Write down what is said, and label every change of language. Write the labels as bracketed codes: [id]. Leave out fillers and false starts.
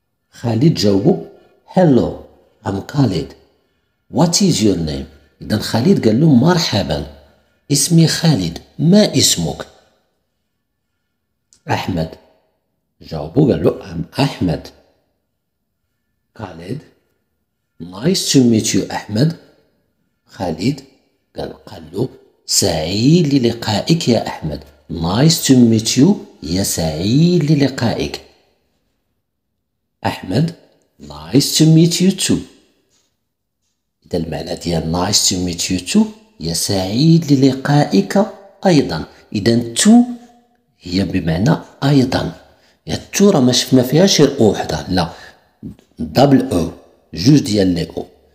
[en] خالد جاوبو: Hello, I'm Khalid. What is your name? [ar] إذن خالد قال له: مرحبا، اسمي خالد، ما اسمك؟ أحمد جاوبو قال له: [en] I'm Ahmed. Khalid: Nice to meet you, Ahmed. [ar] خالد قال له سعيد للقائك يا أحمد. [en] Nice to meet you. [ar] يا سعيد للقائك. [en] أحمد Nice to meet you too. [ar] إذا المعنى ديال [en] Nice to meet you too [ar] يا سعيد للقائك أيضا. إذا تو هي بمعنى أيضا. يا تو راه ما شفنا فيها شي أو وحدة، لا دبل أو، جوج ديال لي أو.